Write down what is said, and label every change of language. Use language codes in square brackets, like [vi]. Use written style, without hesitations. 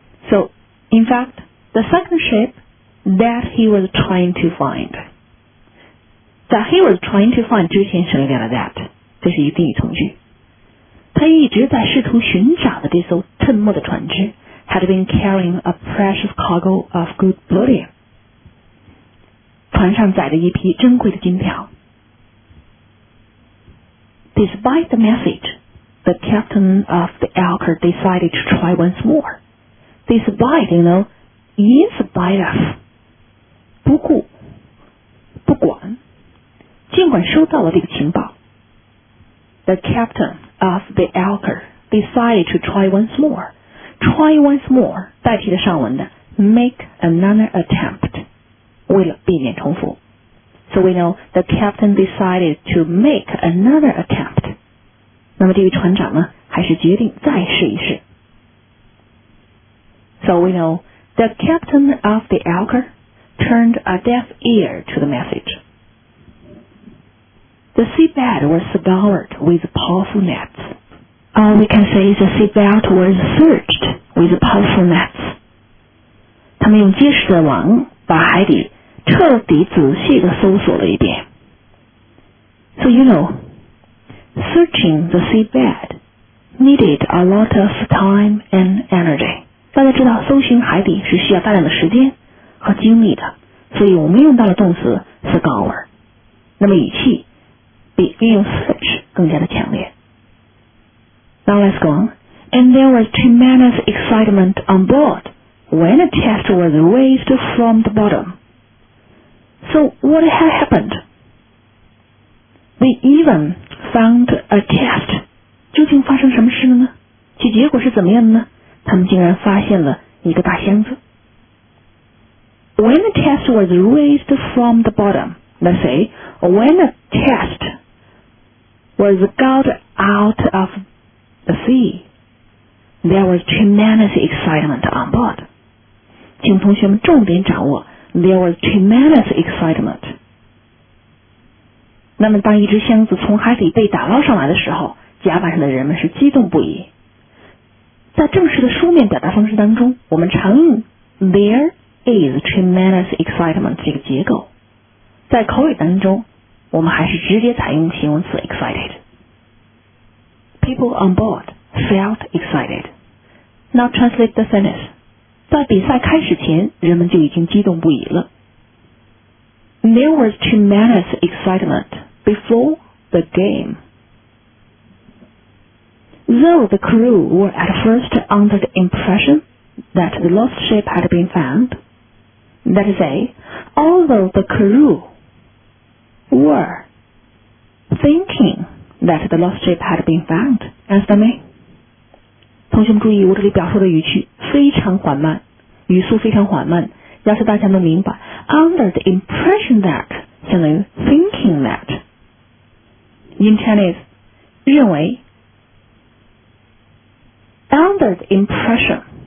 [en] So, in fact, the second ship that he was trying to find. [zh] 在 [en] he was trying to find [zh] 之前省略掉了 that， 这是一个定语从句。他一直在试图寻找的这艘沉没的船只 [en] had been carrying a precious cargo of good bullion. [zh] 船上载着一批珍贵的金条。 [en] Despite the message, the captain of the Elker decided to try once more. Despite, you know, in spite of, [zh] 不顾不管尽管收到了这个情报 [en] The captain of the Elker decided to try once more. Try once more, [zh] 代替了上文的 [en] make another attempt, [zh] 为了避免重复。 [en] So we know, the captain decided to make another attempt. [zh] 那么这位船长呢还是决定再试一试。 [en] So we know the captain of the Elker turned a deaf ear to the message. The seabed was scoured with powerful nets. All we can say is the seabed was searched with powerful nets. [zh] 他们用结实的网把海底彻底仔细地搜索了一遍。 [en] So you know, searching the seabed needed a lot of time and energy. [zh] 大家知道搜寻海底是需要大量的时间和精力的，所以我们用到了动词 scour， 那么语气比运用 search 更加的强烈。 [en] Now let's go on. And there was tremendous excitement on board when a chest was raised from the bottom. So what had happened? They even found a chest. [zh] 究竟发生什么事了呢？其结果是怎么样的呢？他们竟然发现了一个大箱子。 [en] When the chest was raised from the bottom, let's say, when the chest was got out of the sea, there was tremendous excitement on board. [zh] 请同学们重点掌握 [en] there was tremendous excitement. [zh] 那么当一只箱子从海底被打捞上来的时候，甲板上的人们是激动不已。在正式的书面表达方式当中，我们常用 [en] there is tremendous excitement [zh] 这个结构。在口语当中，我们还是直接采用形容词 excited。 [en] People on board felt excited. Now translate the sentence. [zh] 在比赛开始前，人们就已经激动不已了。 [en] There was tremendous excitement before the game. Though the crew were at first under the impression that the lost ship had been found, that is a, although the crew were thinking that the lost ship had been found, understand me? [zh] 同学们注意，我这里表述的语气非常缓慢，语速非常缓慢，要是大家能明白 [en] under the impression that, [zh] 相当于 [en] thinking that, in Chinese, [zh] 认为 [en] Under the impression.